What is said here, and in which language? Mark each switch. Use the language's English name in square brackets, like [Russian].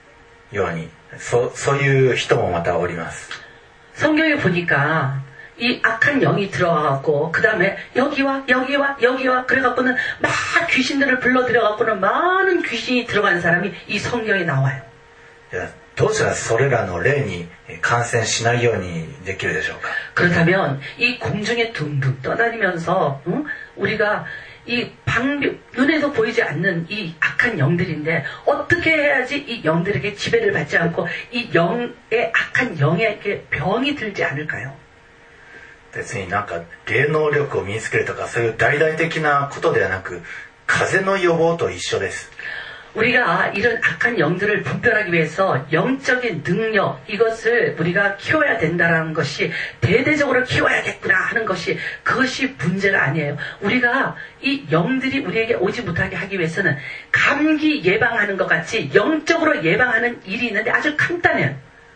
[Japanese] そしてたくさんの霊を抱え込んでしまうように、そういう人もまたおります。 [Korean] 성경에 보니까 이 악한 영이 들어와갖고 그 다음에 여기와 여기와 여기와 그래갖고는 막 귀신들을 불러들여갖고는 많은 귀신이 들어간 사람이 이 성경에 나와요. 도저히 [Japanese] それらの霊に感染しないようにできるでしょうか? [Korean] 그렇다면 이 공중에 둥둥 떠다니면서 우리가 이 방벽 눈에서 보이지 않는 이 악한 영들인데 어떻게 해야지 이 영들에게 지배를 받지 않고 이 영의 악한 영에게 병이 들지 않을까요? [Japanese] 別になんか霊能力を身につけるとかそういう大々的なことではなく風の予防と一緒です。 [Korean] 우리가이런악한영들을분별하기위해서영적인능력이것을우리가키워야된다는것이대대적으로키워야겠구나하는것이그것이문제가아니에요우리가이영들이우리에게오지못하게하기위해서는감기예방하는것같이영적으로예방하는일이있는데아주간단해요